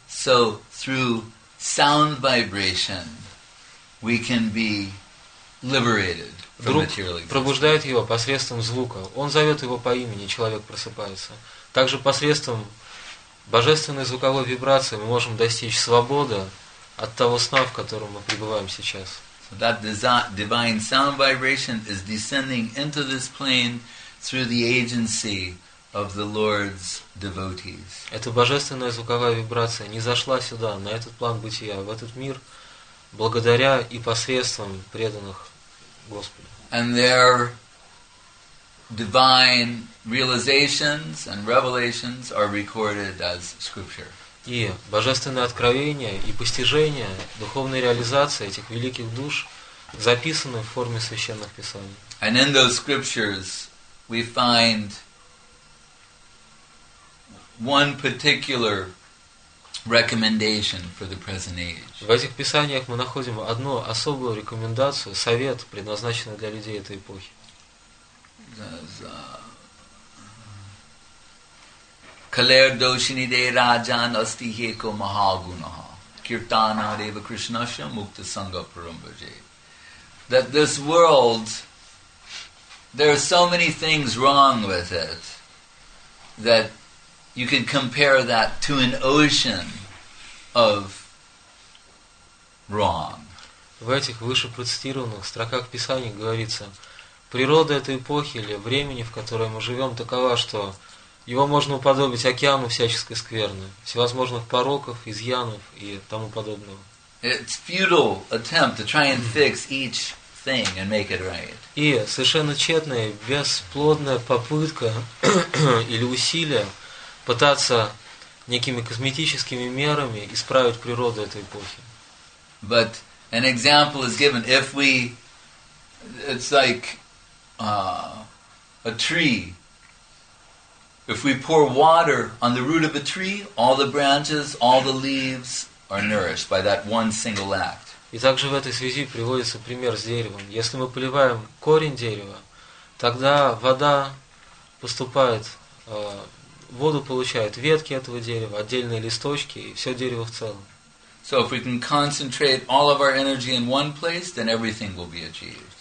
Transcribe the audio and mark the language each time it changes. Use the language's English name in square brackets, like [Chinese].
[English] So through sound vibration we can be liberated from material existence. [Russian] Пробуждает его посредством звука. Он зовет его по имени, человек просыпается. Также посредством божественной звуковой вибрации мы можем достичь свободы от того сна, в котором мы пребываем сейчас. [English] So that divine sound vibration is descending into this plane through the agency of the Lord's devotees. [Russian] Эта божественная звуковая вибрация не зашла сюда, на этот план бытия, в этот мир, благодаря и посредством преданных Господу. [English] And their divine realizations and revelations are recorded as scripture. [Russian] И божественные откровения и постижения, духовные реализации этих великих душ записаны в форме священных писаний. [English] And in those scriptures we find one particular recommendation for the present age. [Russian] В этих писаниях мы находим одну особую рекомендацию, совет, предназначенный для людей этой эпохи. [Sanskrit] Kaler doshini de rajan asti heko mahagunaha kirtana deva krishnasya mukta sangha parambhaje. [English] That this world, there are so many things wrong with it that you can compare that to an ocean of wrong. [Russian] В этих выше процитированных строках Писаний говорится, природа этой эпохи или времени, в которой мы живем, такова, что его можно уподобить океану всяческой скверны, всевозможных пороков, изъянов и тому подобного. [English] It's futile attempt to try and fix each thing and make it right. [Russian] И совершенно тщетная, бесплодная попытка или усилие пытаться некими косметическими мерами исправить природу этой эпохи. [English] But an example is given. If we, it's like a tree. If we pour water on the root of a tree, all the branches, all the leaves are nourished by that one single act. [Russian] И также в этой связи приводится пример с деревом. Если мы поливаем корень дерева, тогда вода поступает, воду получают ветки этого дерева, отдельные листочки и все дерево в целом. [English] So if we can concentrate all of our energy in one place, then everything will be achieved.